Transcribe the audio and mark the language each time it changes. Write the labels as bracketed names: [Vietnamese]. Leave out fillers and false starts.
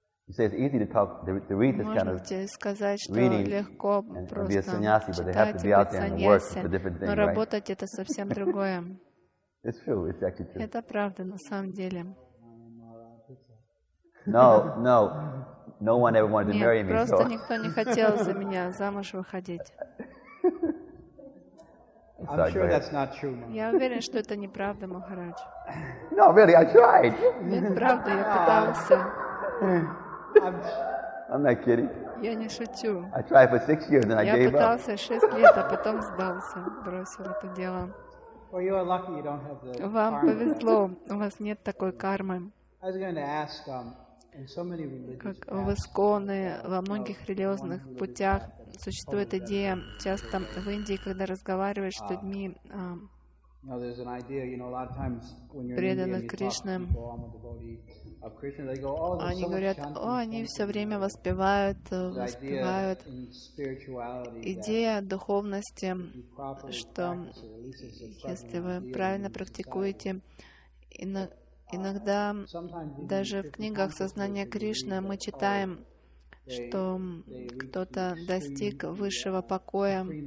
[English] So it's easy to talk to read this kind of reading and be a sannyasi, but they have to be out there and work. It's a different thing, right? It's true. It's actually true. [Russian] Это правда на самом деле. [English] No. No one ever wanted to marry me. [Russian] Нет, просто никто не хотел за меня замуж выходить. [English] I'm sure that's not true, Maharaj. [Russian] Я уверен, что это неправда, Махарадж. [English] No, really, I tried. [Russian] Нет, правда, я пытался. [English] I'm not kidding. [Russian] Я не шучу. [English] I tried for 6 years and I gave up. [Russian] Я пытался 6 лет, а потом сдался, бросил это дело. [English] Well, you are lucky you don't have the karma. [Russian] Вам повезло, у вас нет такой кармы. [English] I was going to ask, in so many religions. [Russian] Как в Исконе, во многих религиозных путях существует идея, часто в Индии, когда разговариваешь с людьми, [English] there's an idea, you know, a lot of times when you're in India, Krishna, of Krishna, they go, oh, there's so [Russian] они говорят, о, они все время воспевают. Идея духовности, что если вы правильно практикуете, иногда даже в книгах сознания Кришны мы читаем, что кто-то достиг высшего покоя.